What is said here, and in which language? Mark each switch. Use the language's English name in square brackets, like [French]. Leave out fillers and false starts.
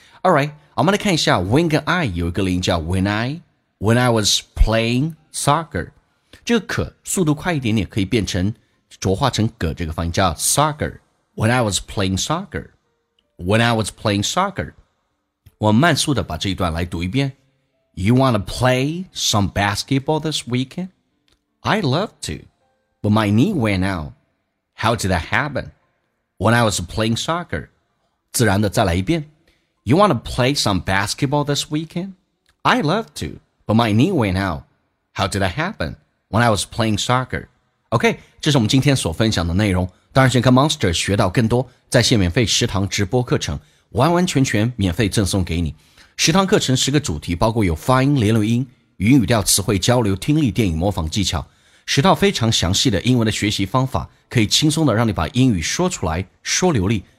[English] Alright, [Chinese] 我们来看一下 when 跟 I 有一个连音叫 [English] when I was playing soccer. [Chinese] 这个可速度快一点点可以变成浊化成个这个发音叫 soccer. [English] When I was playing soccer. When I was playing soccer. [Chinese] 我慢速的把这一段来读一遍。 [English] You wanna play some basketball this weekend? I'd love to, but my knee went out. How did that happen? When I was playing soccer. [Chinese] 自然的再来一遍。 [English] You want to play some basketball this weekend? I'd love to, but my knee went out. How did that happen? When I was playing soccer. [Chinese] OK, 这是我们今天所分享的内容。当然想跟 Monster 学到更多在线免费十堂直播课程，完完全全免费赠送给你。十堂课程十个主题，包括有发音、连读音、语音语调、词汇交流、听力、电影模仿技巧，十套非常详细的英文的学习方法，可以轻松的让你把英语说出来，说流利。